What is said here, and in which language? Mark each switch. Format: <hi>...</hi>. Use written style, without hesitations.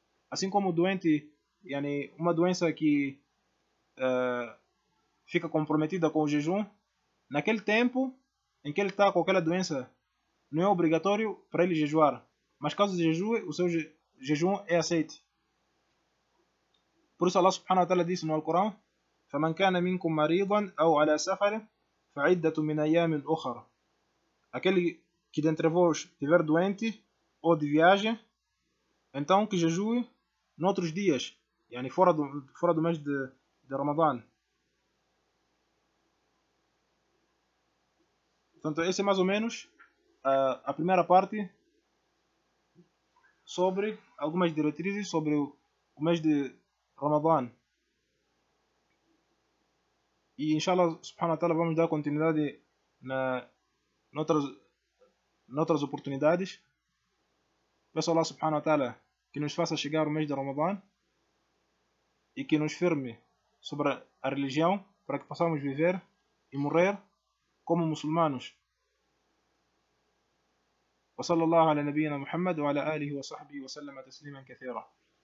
<pt>Assim como o doente, uma doença que fica comprometida com o jejum, naquele tempo em que ele está com aquela doença, não é obrigatório para ele jejuar. Mas caso jejue, o seu jejum é aceite. Por isso Allah subhanahu wa ta'ala disse no Alcorão:</pt> <ar>فَمَنْ كَانَ مِنْكُمْ مَرِيضًا أَوْ عَلَى سَفَرٍ فَعِدَّةٌ مِنْ أَيَّامٍ أُخَرَ.</ar> <pt>Aquele que dentre vós estiver doente ou de viagem, então que jejue noutros dias, fora do mês de Ramadan. Portanto, esse é mais ou menos a primeira parte sobre algumas diretrizes sobre o mês de Ramadan. E inshallah subhanahu wa ta'ala vamos dar continuidade noutras oportunidades. Peço a Allah subhanahu wa ta'ala que nos faça chegar o mês de Ramadan e que nos firme sobre a religião para que possamos viver e morrer como muçulmanos.</pt> <ar>وصلى الله على نبينا محمد وعلى آله وصحبه وسلم تسليما كثيرا.</ar>